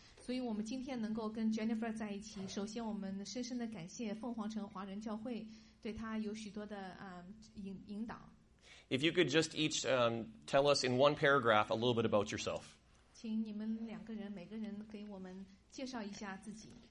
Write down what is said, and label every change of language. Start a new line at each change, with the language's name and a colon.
Chinese: 所以我们今天能够跟 Jennifer 在一起，首先我们深深的感谢凤凰城华人教会对她有许多的引导。
English: If you could just each tell us in one paragraph a little bit about yourself.
Chinese: 请你们两个人每个人给我们介绍一下自己。